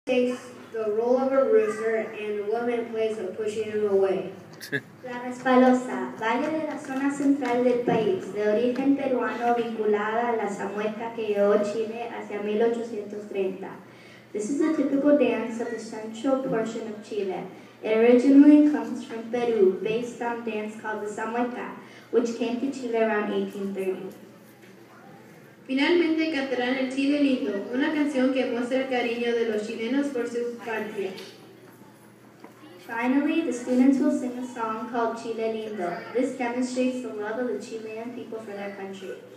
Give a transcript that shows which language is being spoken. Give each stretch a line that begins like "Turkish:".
English: takes the role of a rooster and the woman plays of pushing him away.
Spanish: La Resbalosa, valle de la zona central del país, de origen peruano vinculada a la Zamueca que llegó a Chile hacia 1830.
English: This is a typical dance of the central portion of Chile. It originally comes from Peru, based on dance called the Zamueca, which came to Chile around 1830.
Spanish: Finalmente cantarán el Chile lindo, una canción que muestra el cariño de los chilenos por su patria.
English: Finally, the students will sing a song called Chile Lindo. This demonstrates the love of the Chilean people for their country.